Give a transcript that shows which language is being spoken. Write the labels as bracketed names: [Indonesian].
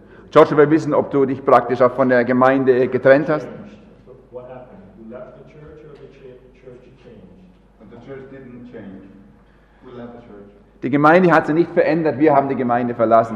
[German] George, wir wissen, ob du dich praktisch auch von der Gemeinde getrennt hast. [English] What happened? You left the church or the church changed? The church didn't change. We left the church. [German] Die Gemeinde hat sich nicht verändert, wir haben die Gemeinde verlassen.